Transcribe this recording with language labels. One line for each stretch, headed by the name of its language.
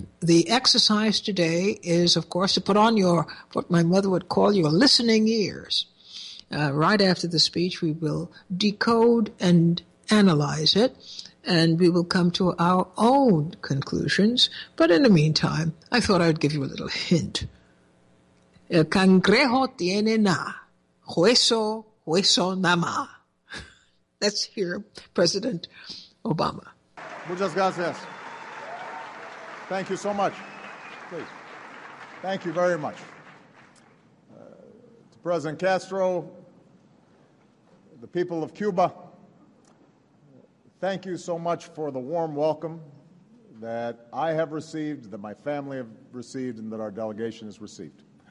English: The exercise today is, of course, to put on your, what my mother would call your listening ears. Right after the speech, we will decode and analyze it, and we will come to our own conclusions. But in the meantime, I thought I would give you a little hint.
Spanish: El cangrejo tiene na, hueso, hueso na ma.
English: Let's hear President Obama.
Spanish: Muchas gracias.
English: Thank you so much. Please. Thank you very much. To President Castro, the people of Cuba, thank you so much for the warm welcome that I have received, that my family have received, and that our delegation has received.